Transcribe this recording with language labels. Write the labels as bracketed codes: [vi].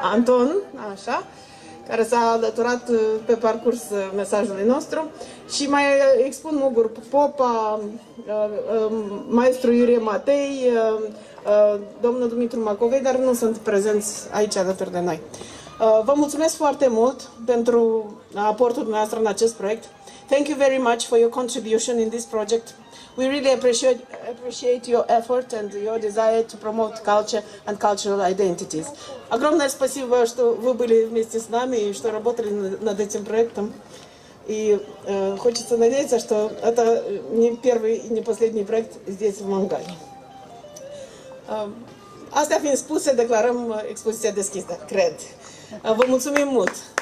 [ro] Anton, așa, care s-a alăturat pe parcurs mesajului nostru. Și mai expun Mugur Popa, maestru Iurie Matei, domnul Dumitru Macovei, dar nu sunt prezenți aici alături de noi. Vă mulțumesc foarte mult pentru aportul dumneavoastră în acest proiect. [en] Thank you very much for your contribution in this project. We really appreciate your effort and your desire to promote culture and cultural identities. [ru] Огромное спасибо, что вы были вместе с нами и что работали над этим проектом. И хочется надеяться, что это не первый и не последний проект здесь, в Мангале. [ro] Astea fiind spuse, declarăm expoziția deschisă, cred. Vă mulțumim mult!